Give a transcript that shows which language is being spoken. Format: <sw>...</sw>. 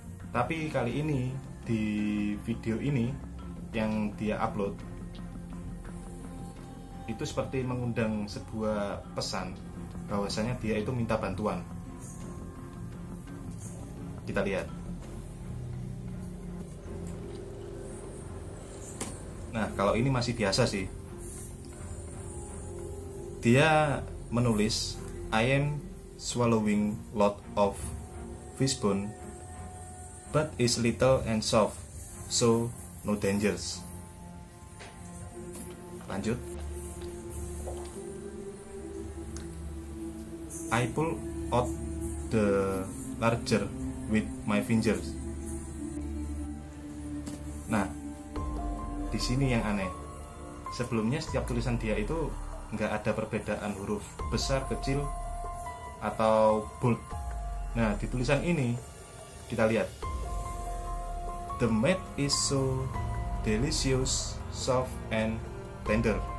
<id>Tapi kali ini, di video ini yang dia upload, itu seperti mengundang sebuah pesan bahwasanya dia itu minta bantuan. Kita lihat. Nah, kalau ini masih biasa sih. Dia menulis,</id> <en>I am swallowing lot of fishbone, but is little and soft, so no dangers.</en> <id>Lanjut.</id> <en>I pull out the larger with my fingers.</en> <id>Nah, di sini yang aneh. Sebelumnya setiap tulisan dia itu enggak ada perbedaan huruf besar, kecil atau bold. Nah, di tulisan ini kita lihat.</id> <en>The meat is so delicious, soft and tender.</en>